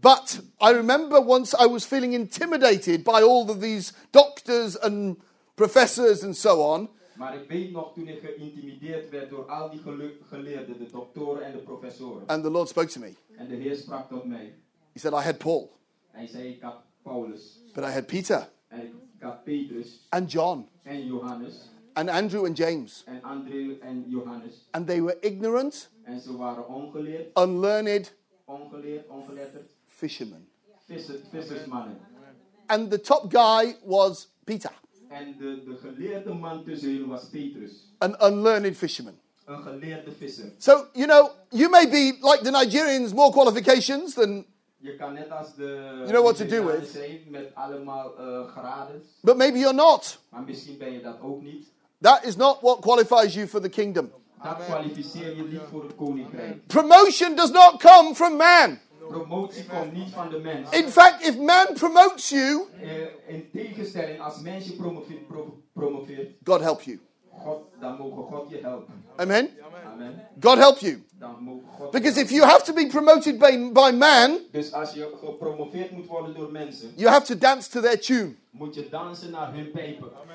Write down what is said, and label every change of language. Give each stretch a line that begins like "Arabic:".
English: But I remember once I was feeling intimidated by all of these doctors and professors and so on.
Dutch: Maar ik weet nog toen ik geïntimideerd werd door al die geleerden, de doktoren en de professoren.
English: And the Lord spoke to me.
Dutch: En de Heer sprak tot mij.
English: He said, I had Paul.
Dutch: Hij zei, ik had Paulus.
English: But I had Peter.
Dutch: En ik had Petrus.
English: And John.
Dutch: En Johannes.
English: And Andrew and James.
Dutch: En Andrew en Johannes.
English: And they were ignorant.
Dutch: En ze waren ongeleerd.
English: Unlearned.
Dutch: Ongeleerd, ongeletterd.
English: Fishermen.
Dutch: Vissersmannen.
English: And the top guy was Peter.
Dutch: En de geleerde man tussen hen was Petrus.
English: An unlearned fisherman.
Dutch: Een geleerde visser.
English: So, you know, you may be like the Nigerians, more qualifications than...
Dutch: Je kan net als de...
English: You know what to do with.
Dutch: Met allemaal graden.
English: But maybe you're not.
Dutch: Maar misschien ben je dat ook niet.
English: That is not what qualifies you for the kingdom.
Dutch: Dat kwalificeer je niet voor het koninkrijk.
English: Promotion does not come from man.
Dutch: Promotie komt niet van de mens.
English: In fact, if man promotes you,
Dutch: in tegenstelling als mens je promoveert,
English: God help you.
Dutch: God, dan mogen God je helpen. Amen. Amen.
English: God help you.
Dutch: Dan mogen God.
English: Because if you have to be promoted by man,
Dutch: dus als je gepromoveerd moet worden door mensen,
English: you have to dance to their tune.
Dutch: Moet je dansen naar hun pijpen.